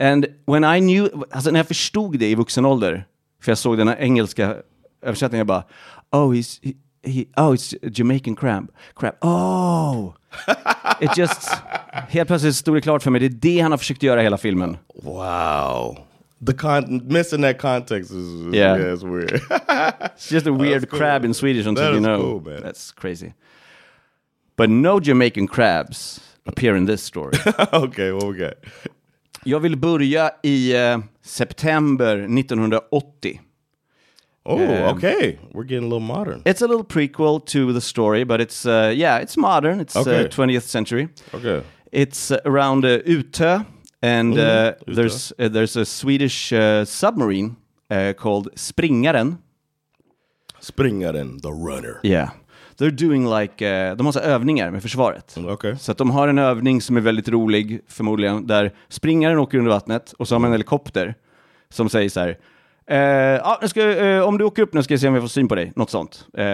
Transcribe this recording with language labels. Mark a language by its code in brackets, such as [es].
[en] And when I knew, [sv] alltså när jag förstod det i vuxen ålder, för jag såg den här engelska översättningen, jag bara, [en] it's Jamaican crab. Oh, it just, [sv] helt plötsligt stod det klart för mig, det är det han har försökt göra hela filmen. [en] Wow, missing that context is yeah, it's weird. It's just a weird crab in Swedish until that is, you know. Cool, man. That's crazy. But no Jamaican crabs appear in this story. Okay, what we got? [sv] Jag vill börja i september 1980. [en] Oh, okay. We're getting a little modern. It's a little prequel to the story, but it's it's modern. It's okay. 20th century. Okay. It's around Utö, and there's a Swedish submarine called Springaren. Springaren, the runner. Yeah. They're doing like, [sv] de har övningar med försvaret. [en] Okay. [sv] Så att de har en övning som är väldigt rolig, förmodligen, där springaren åker under vattnet och så har man en helikopter som säger så här, om du åker upp nu ska jag se om vi får syn på dig, något sånt.